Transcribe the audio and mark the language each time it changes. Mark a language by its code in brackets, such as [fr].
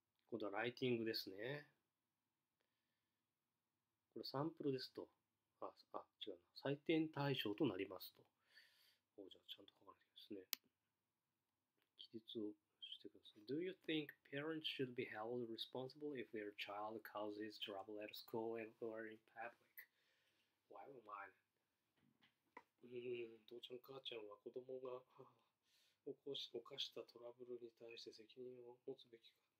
[ja] 今度はライティングですね。これサンプルですと。違うな。採点対象となりますと。じゃあちゃんと書かないといけないですね。記述をしてください。 [en] Do you think parents should be held responsible if their child causes trouble at school and or in public? Why am I? [ja] どうちゃん母ちゃんは子供が犯したトラブルに対して責任を持つべきか。